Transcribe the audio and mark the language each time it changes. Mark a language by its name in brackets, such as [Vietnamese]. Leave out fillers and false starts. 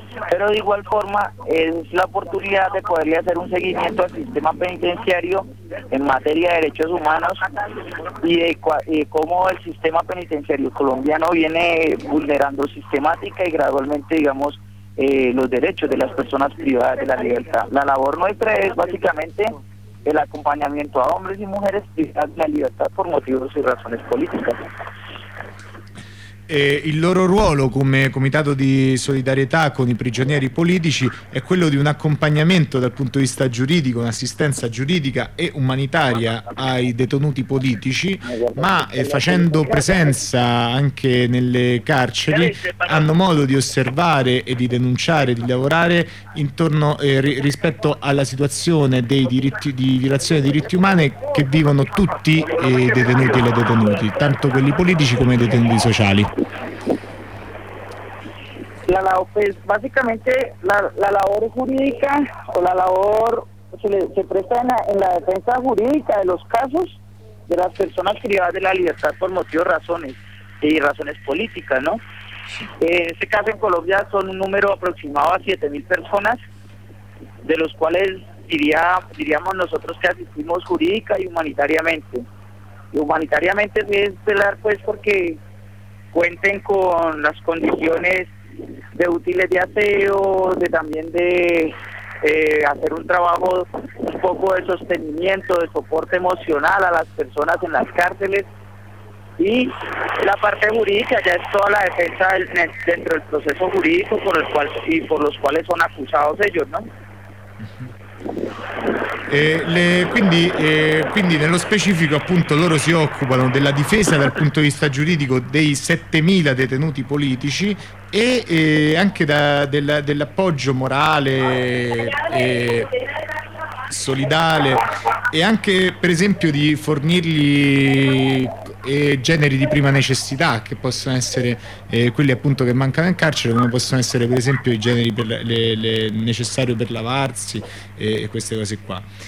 [Spanish] Pero de igual forma es la oportunidad de poderle hacer un seguimiento al sistema penitenciario en materia de derechos humanos y cómo el sistema penitenciario colombiano viene vulnerando sistemática y gradualmente, digamos, los derechos de las personas privadas de la libertad. La labor nuestra es básicamente el acompañamiento a hombres y mujeres privadas de la libertad por motivos y razones políticas. [Italian] Il loro ruolo come comitato di solidarietà con i prigionieri politici è quello di un accompagnamento dal punto di vista giuridico, un'assistenza giuridica e umanitaria ai detenuti politici, ma facendo presenza anche nelle carceri hanno modo di osservare e di denunciare, di lavorare intorno rispetto alla situazione dei diritti, di violazione dei diritti umani che vivono tutti i detenuti e le detenuti, tanto quelli politici come i detenuti sociali. [Spanish] Pues básicamente la labor jurídica o la labor se presta en la defensa jurídica de los casos de las personas privadas de la libertad por motivos, razones y razones políticas, ¿no? En este caso en Colombia son un número aproximado a 7.000 personas, de los cuales diríamos nosotros que asistimos jurídica y humanitariamente. Y humanitariamente es velar pues porque cuenten con las condiciones de útiles de aseo, de también de hacer un trabajo un poco de sostenimiento, de soporte emocional a las personas en las cárceles. Y la parte jurídica ya es toda la defensa dentro del proceso jurídico por el cual y por los cuales son acusados ellos, ¿no? [Italian] Quindi nello specifico appunto loro si occupano della difesa dal punto di vista giuridico dei 7.000 detenuti politici e anche dell'appoggio morale e solidale e anche per esempio di fornirgli generi di prima necessità che possono essere quelli appunto che mancano in carcere, come possono essere per esempio i generi per le necessari per lavarsi e queste cose qua.